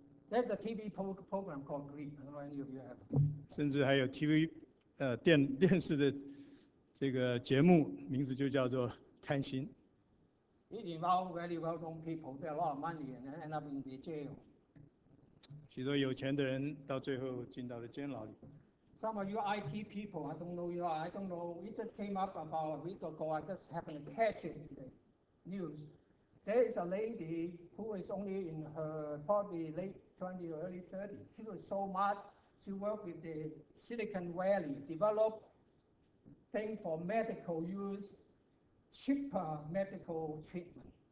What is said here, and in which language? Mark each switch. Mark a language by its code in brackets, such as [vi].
[en] There's a TV program called Greed. I don't know any of you have. [zh] 甚至还有 TV 电视的这个节目名字就叫做贪心。 [en] It involves very well-known people, they have a lot of money and end up in the jail. [zh] 许多有钱的人到最后进到了监牢里。 [en] Some of you IT people, I don't know, it just came up about a week ago, I just happened to catch it in the news. There is a lady who is only in her probably late 20s or early 30s. She was so smart, she worked with the Silicon Valley, developed things for medical use,cheaper medical treatment.